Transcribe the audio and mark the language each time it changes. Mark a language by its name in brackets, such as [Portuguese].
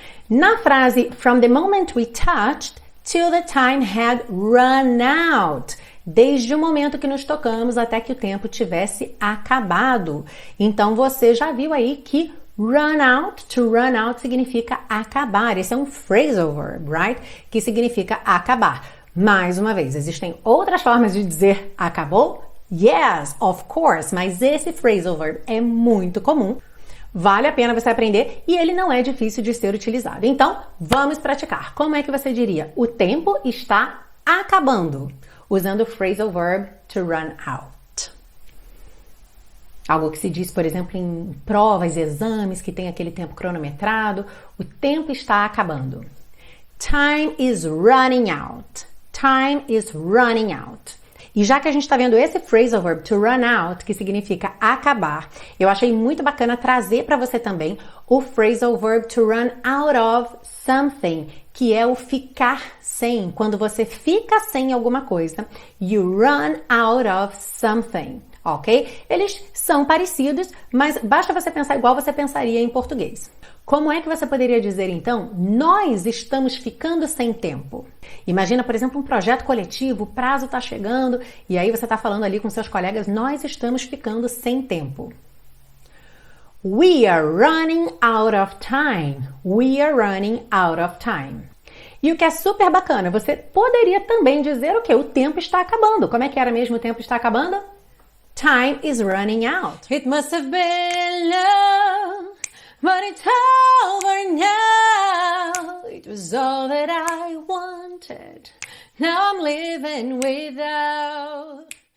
[Portuguese] Na frase, [English] from the moment we touched, till the time had run out. [Portuguese] Desde o momento que nos tocamos até que o tempo tivesse acabado. Então você já viu aí que [English] run out, to run out [Portuguese] significa acabar. Esse é um phrasal verb, [English] right? [Portuguese] Que significa acabar. Mais uma vez, existem outras formas de dizer acabou? [English] Yes, of course, [Portuguese] mas esse phrasal verb é muito comum. Vale a pena você aprender e ele não é difícil de ser utilizado. Então, vamos praticar. Como é que você diria? O tempo está acabando. Usando o phrasal verb to run out. Algo que se diz, por exemplo, em provas, exames, que tem aquele tempo cronometrado. O tempo está acabando. [English] Time is running out. Time is running out. [Portuguese] E já que a gente está vendo esse phrasal verb to run out, que significa acabar, eu achei muito bacana trazer para você também o phrasal verb to run out of something, que é o ficar sem. Quando você fica sem alguma coisa, [English] you run out of something, ok? [Portuguese] Eles são parecidos, mas basta você pensar igual você pensaria em português. Como é que você poderia dizer, então, nós estamos ficando sem tempo? Imagina, por exemplo, um projeto coletivo, o prazo está chegando, e aí você está falando ali com seus colegas, nós estamos ficando sem tempo. [English] We are running out of time. We are running out of time. [Portuguese] E o que é super bacana, você poderia também dizer o quê? O tempo está acabando. Como é que era mesmo o tempo está acabando? [English] Time is running out. It must have been love. But it's over now. It was all that I wanted. Now I'm living without.